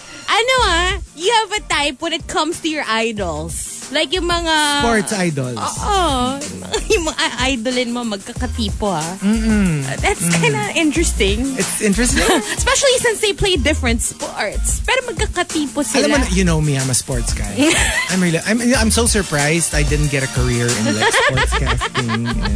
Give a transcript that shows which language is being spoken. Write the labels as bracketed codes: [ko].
[tl] Ano ah, [en] you have a type when it comes to your idols. [tl] Like yung mga... [en] Sports idols. [tl] Oo. Yung mga idolin mo, magkakatipo ah. Mm-mm. [en] That's kind of interesting. It's interesting? Especially since they play different sports. [tl] Pero magkakatipo sila. Alam mo, [en] you know me, I'm a sports guy. I'm so surprised I didn't get a career in like sportscasting.